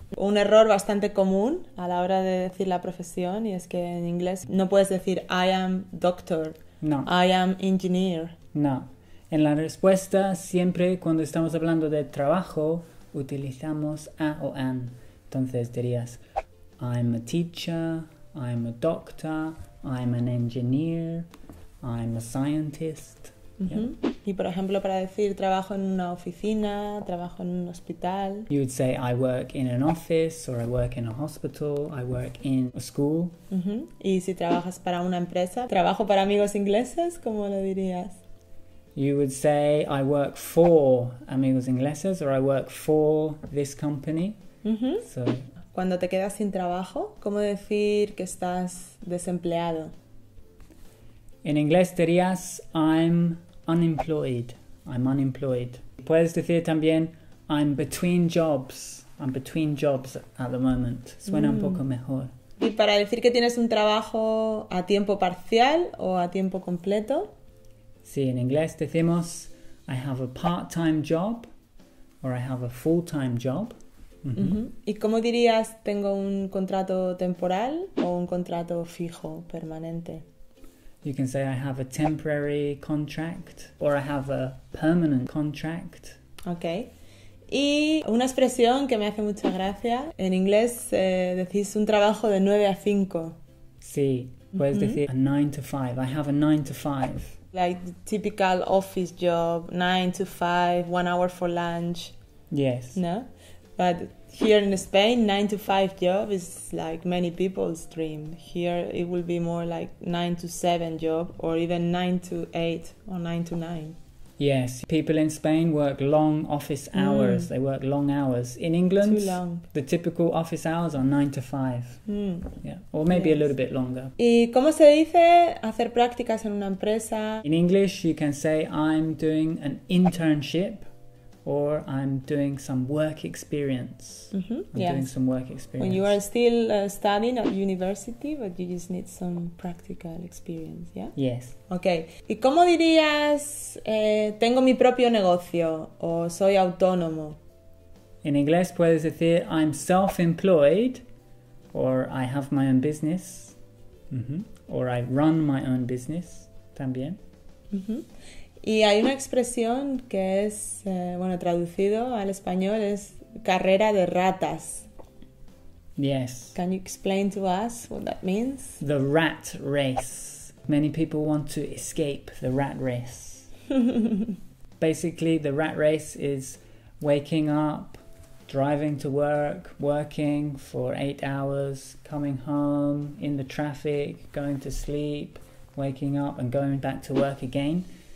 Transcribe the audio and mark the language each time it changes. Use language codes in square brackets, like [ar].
[es] Un error bastante común a la hora de decir la profesión, y es que en inglés no puedes decir, [en] I am doctor. [es] No. [en] I am engineer. [es] No. En la respuesta, siempre cuando estamos hablando de trabajo, utilizamos a o an. Entonces dirías, [en] I'm a teacher, I'm a doctor, I'm an engineer, I'm a scientist. Uh-huh. Yeah. [es] Y por ejemplo, para decir trabajo en una oficina, trabajo en un hospital. [en] You would say, I work in an office, or I work in a hospital, I work in a school. Uh-huh. [es] Y si trabajas para una empresa, trabajo para amigos ingleses, ¿cómo lo dirías? [en] You would say, I work for Amigos Ingleses, or I work for this company. Mm-hmm. So, [es] cuando te quedas sin trabajo, ¿cómo decir que estás desempleado? En inglés dirías, [en] I'm unemployed. I'm unemployed. [es] Puedes decir también, [en] I'm between jobs. I'm between jobs at the moment. [es] Suena un poco mejor. Y para decir que tienes un trabajo a tiempo parcial o a tiempo completo, sí, en inglés decimos, [en] I have a part-time job, or I have a full-time job. Mm-hmm. [es] Uh-huh. ¿Y cómo dirías, tengo un contrato temporal o un contrato fijo, permanente? [en] You can say, I have a temporary contract, or I have a permanent contract. Okay. [es] Y una expresión que me hace mucha gracia, en inglés decís un trabajo de 9 a 5. Sí, puedes [en] uh-huh. [es] decir, [en] a 9 to 5, I have a 9 to 5. Like the typical office job, 9 to 5, 1 hour for lunch. Yes. No? But here in Spain, 9 to 5 job is like many people's dream. Here it will be more like 9 to 7 job, or even 9 to 8 or 9 to 9. Yes. People in Spain work long office hours. Mm. They work long hours. In England, too long. The typical office hours are 9 to 5. Mm. Yeah. Or maybe a little bit longer. [es] ¿Y cómo se dice hacer prácticas en una empresa? [en] In English, you can say, I'm doing an internship, or I'm doing some work experience. Mm-hmm. I'm yes. doing some work experience. When you are still studying at university, but you just need some practical experience, yeah? Yes. Okay. [es] ¿Y cómo dirías, tengo mi propio negocio, o soy autónomo? [en] In English, [es] puedes decir, [en] I'm self-employed, or I have my own business, mm-hmm. or I run my own business, [es] también. Mm-hmm. Y hay una expresión que es, bueno, traducido al español, es carrera de ratas. [en] Yes. Can you explain to us what that means? The rat race. Many people want to escape the rat race. Basically, the rat race is waking up, driving to work, working for 8 hours, coming home, in the traffic, going to sleep, waking up and going back to work again.